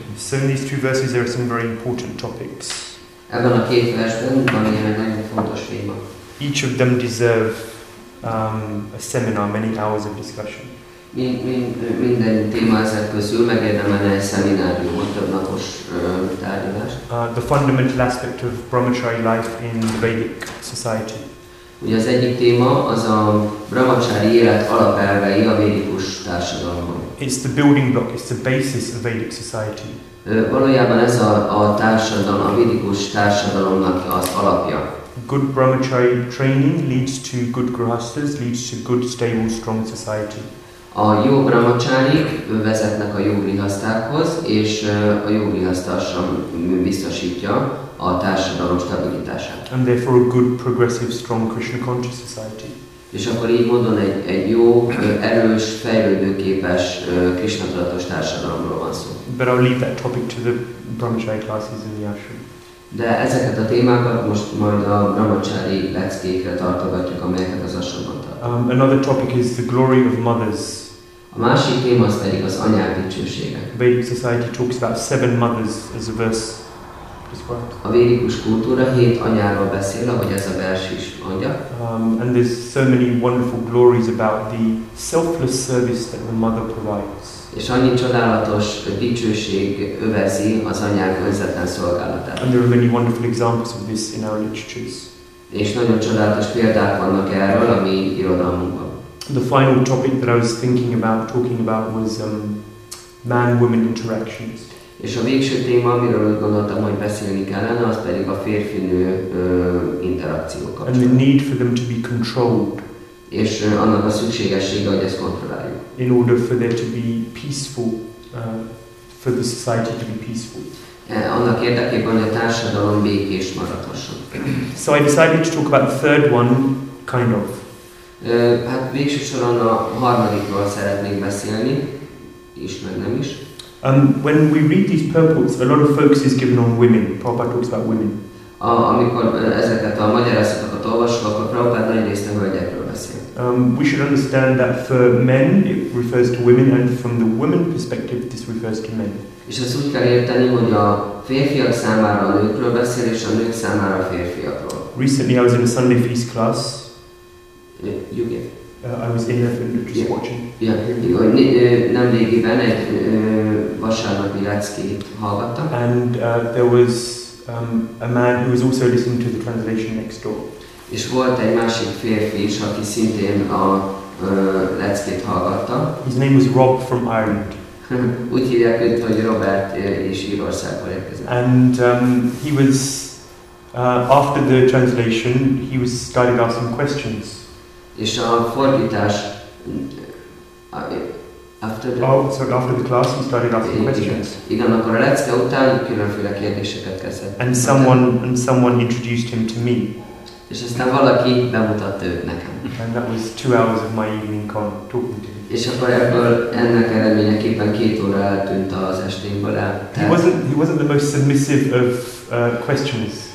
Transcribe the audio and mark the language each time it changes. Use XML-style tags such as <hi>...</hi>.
<en>So in these two verses there are some very important topics.</en> <hu>Ebben a két versben van egy nagyon fontos téma.</hu> <en>Each of them deserve a seminar, many hours of discussion.</en> <hu>Minden téma ezek közül megérdemelne egy szemináriumot, több napos tárgyalást.</hu> <en>The fundamental aspect of brahmachari life in the Vedic society.</en> <hu>Ugye az egyik téma az a brahmachari élet alapelvei a védikus társadalomban.</hu> <en>It's the building block, it's the basis of Vedic society.</en> <hu>Valójában ez a társadalom, a védikus társadalomnak az alapja.</hu> <en>Good brahmachari training leads to good grihasthas, leads to good, stable, strong society.</en> <hu>A jó brahmacsárik vezetnek a jó grihasztákhoz, és a jó grihasztásom biztosítja a társadalom stabilitását.</hu> <en>And therefore a good, progressive, strong Krishna conscious society.</en> <hu>És akkor így módon egy jó, erős, fejlődőképes, Krishna tudatos társadalomról van szó.</hu> <en>But I'll leave that topic to the brahmacsári classes in the ashram.</en> <hu>De ezeket a témákat most majd a brahmacsári leckékre tartogatjuk, amelyeket az ashramban tart.</hu> <en>Another topic is the glory of mothers.</en> <hu>A másik téma az pedig az anyák dicsősége.</hu> <en>Vedic society talks about seven mothers as a verse described.</en> <hu>A védikus kultúra hét anyáról beszél, ahogy ez a vers is mondja.</hu> <en>And there's so many wonderful glories about the selfless service that the mother provides.</en> <hu>És annyi csodálatos dicsőség övezi az anyák önzetlen szolgálatát.</hu> <en>And there are many wonderful examples of this in our literatures.</en> <hu>És nagyon csodálatos példák vannak erről a mi irodalmunkban.</hu> <en>The final topic that I was thinking about, talking about was man-woman interactions.</en> <hu>És a végső téma, amiről úgy gondoltam, hogy beszélni kellene, az pedig a férfi-nő interakció kapcsolat.</hu> <en>And the need for them to be controlled.</en> <hu>És annak a szükségessége, hogy ezt kontrolláljuk.</hu> <en>In order for there to be peaceful, for the society to be peaceful.</en> <hu>Annak érdekében, hogy a társadalom békés maradhasson.</hu> <en>So I decided to talk about the third one, kind of.</en> <hu>Hát végső soron a harmadikról szeretnék beszélni, és meg nem is.</hu> <en>When we read these purports, a lot of focus is given on women. Prabhupada talks about women.</en> <hu>Amikor ezeket a magyarázatokat olvasok, akkor Prabhupada nagy részt a hölgyekről beszél.</hu> <en>We should understand that for men it refers to women, and from the women perspective this refers to men.</en> <hu>És ezt úgy kell érteni, hogy a férfiak számára a nőkről beszél, és a nők számára a férfiakról.</hu> <en>Recently I was in a Sunday feast class. You get. I was in heaven just yeah. Watching. Yeah.</en> <hu>Nemrégiben egy vasárnapi leckét hallgattam.</hu> <en>And there was a man who was also listening to the translation next door.</en> <hu>És volt egy másik férfi is, aki szintén a leckét hallgatta.</hu> <en>His name was Rob from Ireland.</en> <hu>Úgy hívják őt, hogy Robert is Írországból érkezett.</hu> <en>And he was, after the translation, he was started asking questions.</en> <hu>És a fordítás...</hu> <en>After the class, he started asking questions.</en> <hu>Igen, akkor a lecke után különféle kérdéseket kezdett.</hu> <en>And someone introduced him to me.</en> <hu>És aztán valaki bemutatta őt nekem.</hu> <en>And that was 2 hours of my evening talking to him.</en> <hu>És akkor ebből ennek eredményeképpen 2 óra eltűnt az esténkből el.</hu> <en>He wasn't the most submissive of questioners.</en>